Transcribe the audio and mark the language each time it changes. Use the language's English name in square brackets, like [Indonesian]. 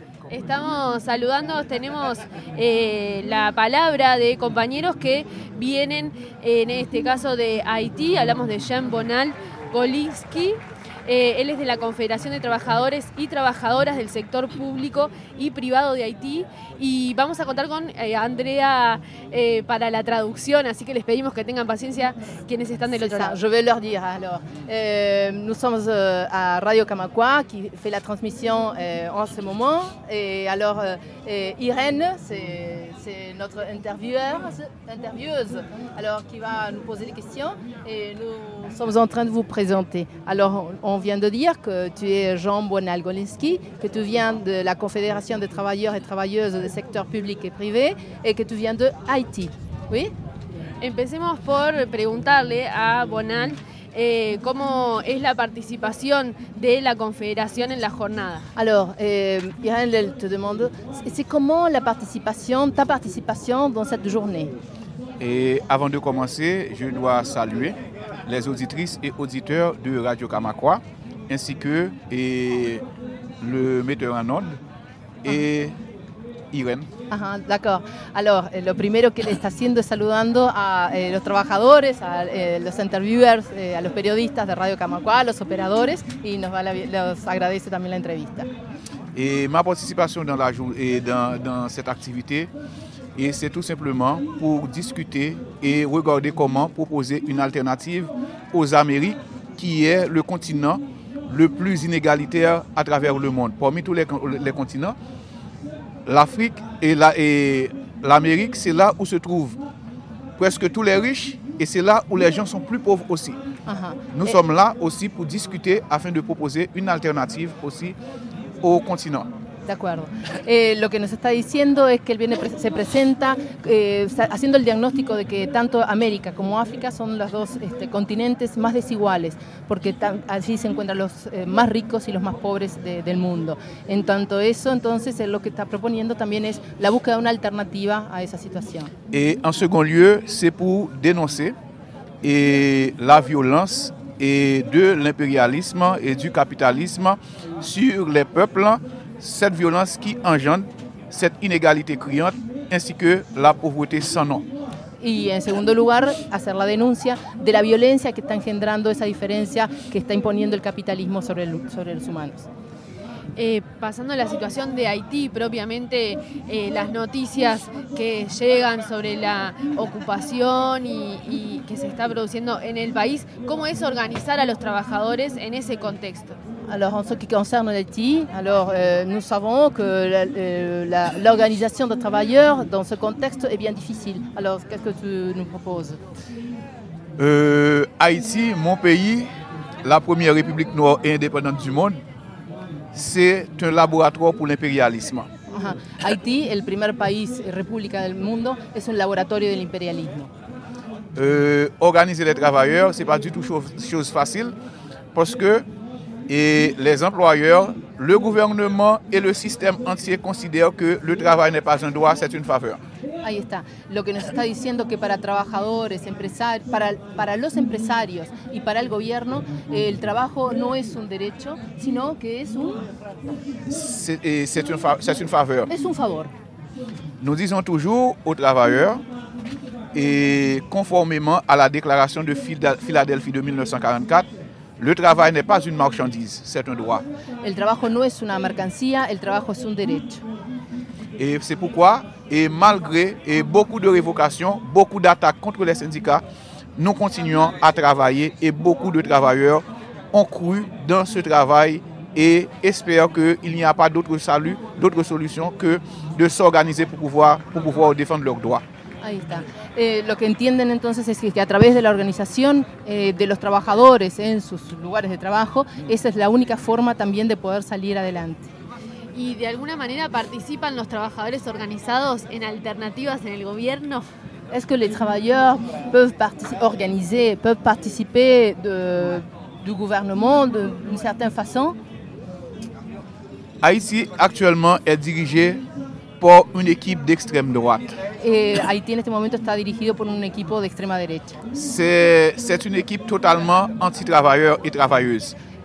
[Spanish] Estamos saludando, tenemos la palabra de compañeros que vienen, en este caso de Haití, hablamos de Jean Bonal Golinski. Él es de la Confederación de Trabajadores y Trabajadoras del Sector Público y Privado de Haití. Y vamos a contar con Andrea para la traducción, así que les pedimos que tengan paciencia quienes están del otro lado. [French] Je vais leur dire alors. Nous sommes à Radio Camacuá, qui fait la transmission en ce moment. Et alors, Irène, c'est notre intervieweuse, alors, qui va nous poser des questions. Et nous sommes en train de vous présenter. Alors, on vient de dire que tu es Jean Bonal Golinski, que tu viens de la Confédération des travailleurs et travailleuses des secteurs publics et privés et que tu viens de Haïti. Oui? [Spanish] Empecemos por preguntarle a Bonal cómo es la participación de la Confédération en la jornada. [French] Alors, Irène, elle te demande, c'est comment la participation, ta participation dans cette journée? Et avant de commencer, je dois saluer les auditrices et auditeurs de Radio Camacuá, ainsi que et le metteur en onde et Irène. Ajá, d'accord. Alors, [Spanish] lo primero que le está haciendo es saludando a los trabajadores, a los interviewers, a los periodistas de Radio Camacuá, a los operadores, y nos va los agradece también la entrevista. [French] Et ma participation dans la dans cette activité. Et c'est tout simplement pour discuter et regarder comment proposer une alternative aux Amériques, qui est le continent le plus inégalitaire à travers le monde. Parmi tous les continents, l'Afrique et l'Amérique, c'est là où se trouvent presque tous les riches et c'est là où les gens sont plus pauvres aussi. Nous sommes là aussi pour discuter afin de proposer une alternative aussi au continent. [Spanish] De acuerdo. Lo que nos está diciendo es que él viene, se presenta haciendo el diagnóstico de que tanto América como África son los dos continentes más desiguales, porque allí se encuentran los más ricos y los más pobres del mundo. En tanto eso, entonces, lo que está proponiendo también es la búsqueda de una alternativa a esa situación. Y en segundo lugar, [French] c'est pour dénoncer la violence et de l'impérialisme et du capitalisme sur les peuples. Cette violence qui engendre cette inégalité criante ainsi que la pauvreté sans nom. [Spanish] Y en segundo lugar, hacer la denuncia de la violencia que está engendrando esa diferencia que está imponiendo el capitalismo sobre los humanos. Pasando a la situación de Haití, propiamente las noticias que llegan sobre la ocupación y que se está produciendo en el país, ¿cómo es organizar a los trabajadores en ese contexto? [French] Alors, en ce qui concerne l'Haïti, nous savons que l'organisation des travailleurs dans ce contexte est bien difficile. Alors, qu'est-ce que tu nous proposes? Haïti, mon pays, la première république noire et indépendante du monde, c'est un laboratoire pour l'impérialisme. Haïti, le premier pays et république du monde, est un laboratoire de l'impérialisme. Organiser les travailleurs, ce n'est pas du tout chose facile, parce que et les employeurs, le gouvernement et le système entier considèrent que le travail n'est pas un droit, c'est une faveur. [Spanish] Ahí está. Lo que nos está diciendo que para trabajadores, para los empresarios y para el gobierno, el trabajo no es un derecho, sino que es un... [French] C'est une faveur. [Spanish] Es un favor. [French] Nous disons toujours aux travailleurs, et conformément à la déclaration de Philadelphie de 1944, le travail n'est pas une marchandise, c'est un droit. [Spanish] El trabajo no es una mercancía, el trabajo es un derecho. [French] Et c'est pourquoi, et malgré et beaucoup de révocations, beaucoup d'attaques contre les syndicats, nous continuons à travailler et beaucoup de travailleurs ont cru dans ce travail et espèrent qu'il n'y a pas d'autre salut, d'autre solution que de s'organiser pour pouvoir défendre leurs droits. [Spanish] Ahí está. Lo que entienden entonces es que a través de la organización de los trabajadores en sus lugares de trabajo, esa es la única forma también de poder salir adelante. ¿Y de alguna manera participan los trabajadores organizados en alternativas en el gobierno? ¿Es que los trabajadores pueden organizar, pueden participar del gobierno de una cierta manera? [French] Haïti actuellement est dirigé [Spanish] por una equipo de extrema derecha. Haití en este momento está dirigido por un equipo de extrema derecha. [French] C'est une équipe totalement anti-travailleur et travailleuse.